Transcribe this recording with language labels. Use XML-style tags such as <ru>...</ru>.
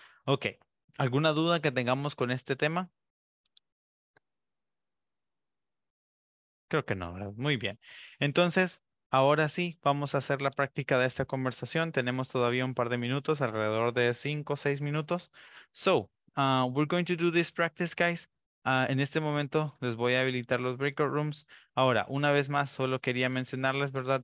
<es>Ok, ¿alguna duda que tengamos con este tema? Creo que no, ¿verdad? Muy bien. Entonces, ahora sí, vamos a hacer la práctica de esta conversación. Tenemos todavía un par de minutos, alrededor de 5 o 6 minutos.</es> <en>So, we're going to do this practice, guys.</en> <es>En este momento les voy a habilitar los breakout rooms. Ahora, una vez más, solo quería mencionarles, ¿verdad?</es>